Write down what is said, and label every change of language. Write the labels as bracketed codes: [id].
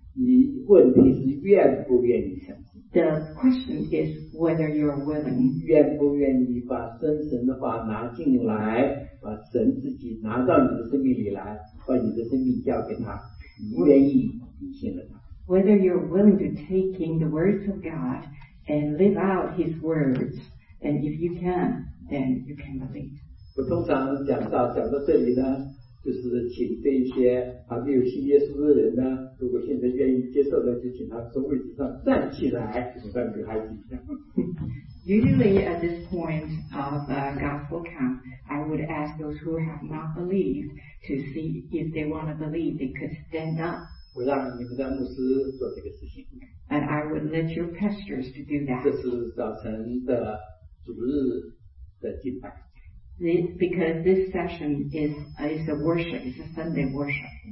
[zh] 你问题是愿不愿意相信? [en] The question is whether you're willing. [zh] 愿不愿意把神神的话拿进来, 把神自己拿到你的生命里来, 把你的生命交给他, 你愿意, 你信了他。 [en] Whether you're willing to take in the words of God and live out His words, and if you can, then you can believe. [zh] 我通常讲到这里呢, 就是请这些还没有信耶稣的人呢，如果现在愿意接受的，就请他从位置上站起来，让女孩子。 [en] Usually at this point of gospel camp, I would ask those who have not believed to see if they want to believe, they could stand up. [zh] 我让你们的牧师做这个事情。 [en] And I would let your pastors to do that. [zh] 这是早晨的主日的敬拜。 [en] Because this session is a worship, it's a Sunday worship.